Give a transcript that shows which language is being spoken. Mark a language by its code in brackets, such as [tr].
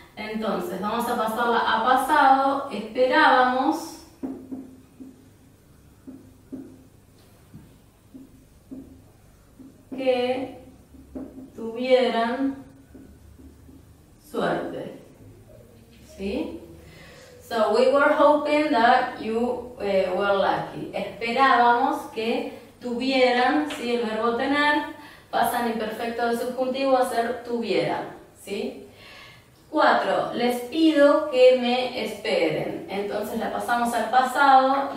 [es] Entonces, vamos a pasarla a pasado. Esperábamos que tuvieran suerte, ¿sí? [en] So we were hoping that you were lucky. [es] Esperábamos que tuvieran, ¿sí? El verbo tener pasa en imperfecto de subjuntivo a ser tuviera, ¿sí? 4. Les pido que me esperen. Entonces la pasamos al pasado.